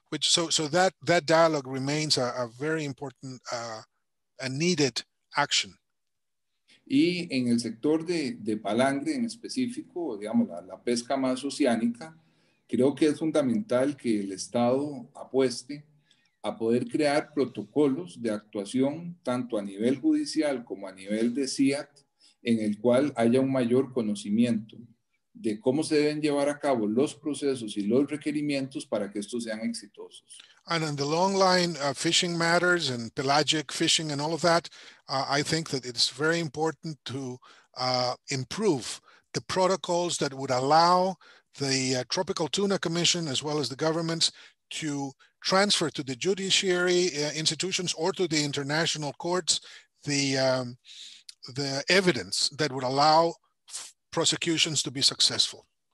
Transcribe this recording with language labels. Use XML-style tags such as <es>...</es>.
<en>So that dialogue remains a very important and needed action.</en> <es>Y en el sector de palangre en específico, digamos, la pesca más oceánica, creo que es fundamental que el Estado apueste a poder crear protocolos de actuación tanto a nivel judicial como a nivel de CIAT, en el cual haya un mayor conocimiento de cómo se deben llevar a cabo los procesos y los requerimientos para que estos sean exitosos.</es> <en>And in the long line fishing matters and pelagic fishing and all of that, I think that it's very important to improve the protocols that would allow the Tropical Tuna Commission as well as the governments to transfer to the judiciary institutions or to the international courts the evidence that would allow prosecutions to be successful.</en>